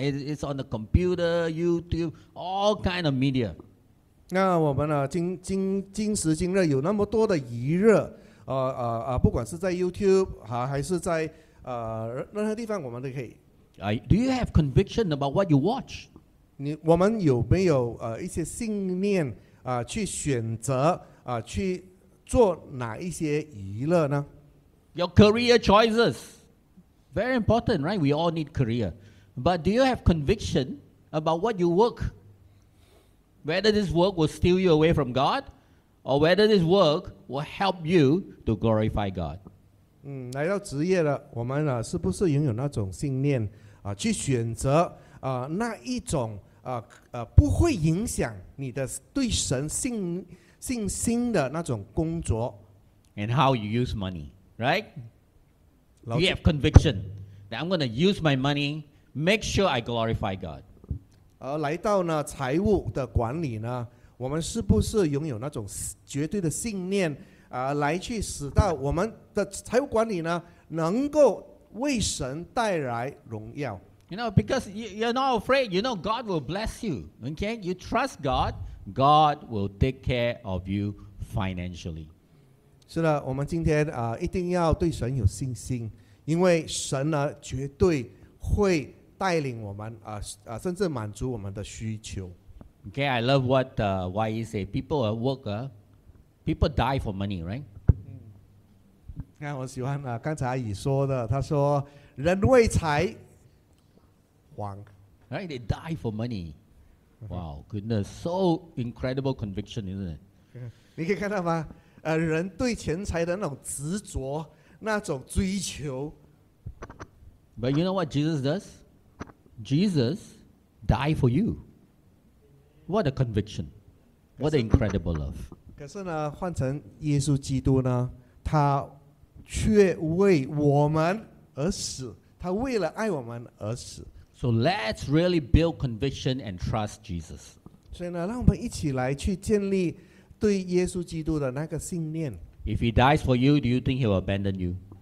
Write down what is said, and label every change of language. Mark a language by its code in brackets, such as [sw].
[en] It's on the computer, YouTube, all kind of media. [zh] 那我们呢、啊？今时今日有那么多的娱乐，不管是在 YouTube 还是在任何地方，我们都可以。 [en] Do you have conviction about what you watch? [zh] 我们有没有一些信念去选择去做哪一些娱乐呢？ [en] Your career choices, very important, right? We all need career. But do you have conviction about what you work? Whether this work will steal you away from God, or whether this work will help you to glorify God? [zh] 来到职业了，我们是不是拥有那种信念去选择那一种不会影响你的对神信心的那种工作。 [en] And how you use money, right? Do you have conviction that I'm going to use my money, make sure I glorify God? [zh] 而来到呢财务的管理呢，我们是不是拥有那种绝对的信念来去使到我们的财务管理呢能够为神带来荣耀。 [en] You know, because you're not afraid. You know God will bless you. Okay, you trust God. God will take care of you financially. [zh] 是的，我们今天一定要对神有信心，因为神呢绝对会带领我们甚至满足我们的需求。 [en] Okay, I love what YE say. People at work, people die for money, right? [zh] 看，我喜欢刚才阿姨说的，她说人为财亡。 [en] Right, they die for money. Wow, goodness, so incredible conviction, isn't it? [zh] 你可以看到吗？人对钱财的那种执着，那种追求。 [en] But you know what Jesus does? Jesus died for you. What a conviction! What an incredible love! [zh] 可是呢，换成耶稣基督呢，他却为我们而死，他为了爱我们而死。 [en] So let's really build conviction and trust Jesus. [zh] 所以呢，让我们一起来去建立对耶稣基督的那个信念。 [en] If he dies for you, do you think he'll abandon you?